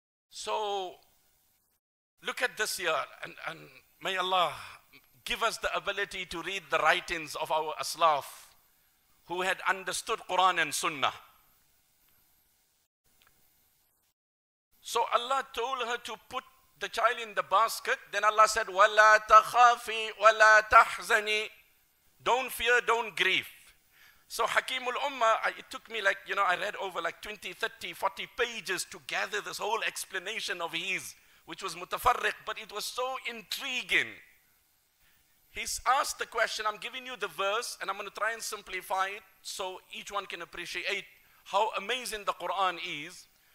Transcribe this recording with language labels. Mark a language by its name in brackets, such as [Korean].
[English] So, look at this year, and may Allah give us the ability to read the writings of our aslaf who had understood Quran and Sunnah. So Allah told her to put the child in the basket. [Arabic] Then Allah said, وَلَا تَخَافِي وَلَا تَحْزَنِي. [English] Don't fear, don't grieve. So Hakim al-Ummah, it took me like, you know, I read over like 20, 30, 40 pages to gather this whole explanation of his, which was mutafarriq, but it was so intriguing. He's asked the question, I'm giving you the verse, and I'm going to try and simplify it so each one can appreciate how amazing the Quran is.